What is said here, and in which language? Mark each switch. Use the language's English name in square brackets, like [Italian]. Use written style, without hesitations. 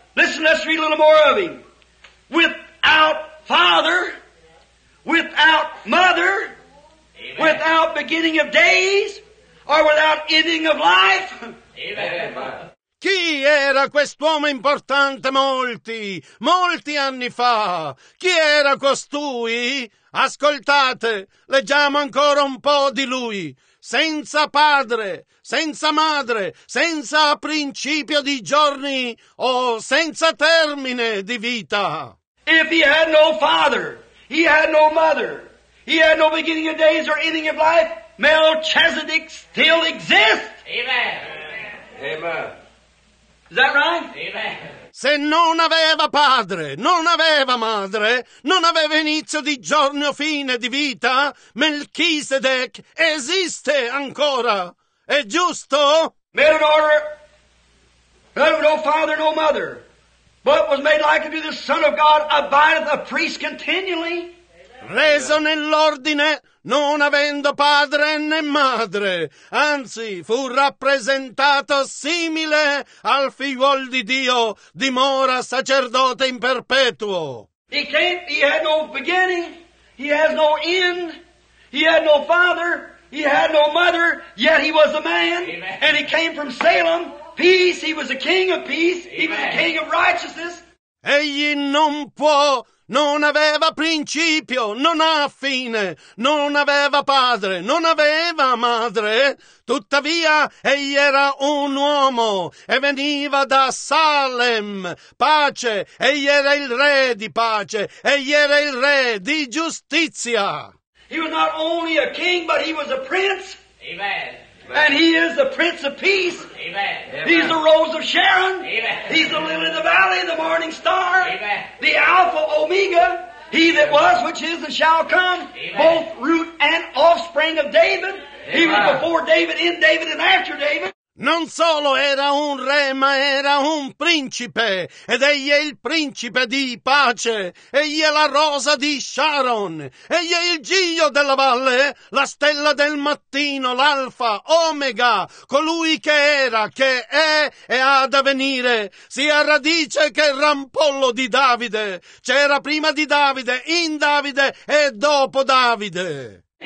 [English] Listen, let's read a little more of him. Without father, without mother, Amen. Without beginning of days, or without ending of life. Amen. [Italian] Chi era quest'uomo importante molti, molti anni fa? Chi era costui? Ascoltate, leggiamo ancora un po' di lui. Senza padre, senza madre, senza principio di giorni o senza termine di vita. [English] If he had no father, he had no mother, he had no beginning of days or ending of life, Melchizedek still exists. Amen. Amen. Is that right? Amen. [Italian] Se non aveva padre, non aveva madre, non aveva inizio di giorno o fine di vita, Melchisedec esiste ancora. È giusto? [English] Made an order, had no father, no mother, but was made like unto the Son of God, abideth a priest continually. [Italian] Reso nell'ordine, non avendo padre né madre, anzi fu rappresentato simile al figliuol di Dio, dimora sacerdote in perpetuo. [English] He came, he had no beginning, he has no end, he had no father, he had no mother, yet he was a man. Amen. And he came from Salem, peace, he was a king of peace, Amen. He was a king of righteousness. [Italian] Egli non può. Non aveva principio, non ha fine, non aveva padre, non aveva madre. Tuttavia, egli era un uomo e veniva da Salem, pace, egli era il re di pace, egli era il re di giustizia. [English] He was not only a king, but he was a prince. Amen. And he is the Prince of Peace. Amen. He's the Rose of Sharon. Amen. He's the Lily of the Valley, the Morning Star. Amen. The Alpha Omega. He that was, which is, and shall come. Amen. Both root and offspring of David. Amen. He was before David, in David, and after David. [Italian] Non solo era un re, ma era un principe, ed egli è il principe di pace, egli è la rosa di Sharon, egli è il giglio della valle, la stella del mattino, l'alfa, omega, colui che era, che è e ha da venire, sia radice che rampollo di Davide, c'era prima di Davide, in Davide e dopo Davide.